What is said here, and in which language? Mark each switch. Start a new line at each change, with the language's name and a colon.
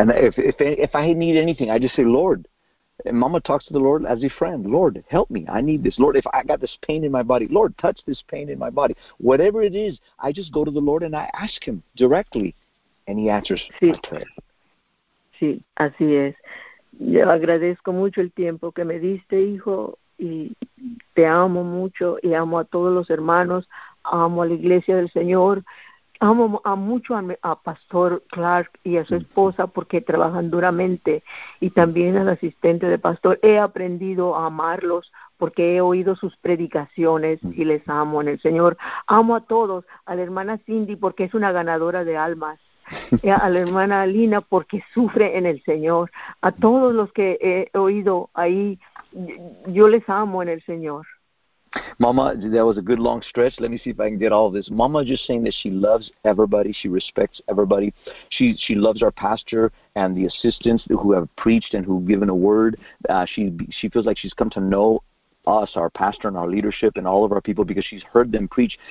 English: And if I need anything, I just say, Lord. And Mama talks to the Lord as a friend. Lord, help me. I need this. Lord, if I got this pain in my body, Lord, touch this pain in my body. Whatever it is, I just go to the Lord and I ask him directly. And he answers
Spanish: sí.
English: My prayer.
Spanish: Sí, así es. Yo agradezco mucho el tiempo que me diste, hijo. Y te amo mucho. Y amo a todos los hermanos. Amo a la iglesia del Señor. Amo a mucho a Pastor Clark y a su esposa porque trabajan duramente. Y también al asistente de Pastor. He aprendido a amarlos porque he oído sus predicaciones y les amo en el Señor. Amo a todos. A la hermana Cindy porque es una ganadora de almas. Y a la hermana Alina porque sufre en el Señor. A todos los que he oído ahí, yo les amo en el Señor.
English: Mama, that was a good long stretch. Let me see if I can get all of this. Mama just saying that she loves everybody. She respects everybody. She loves our pastor and the assistants who have preached and who have given a word. She feels like she's come to know us, our pastor and our leadership and all of our people because she's heard them preach.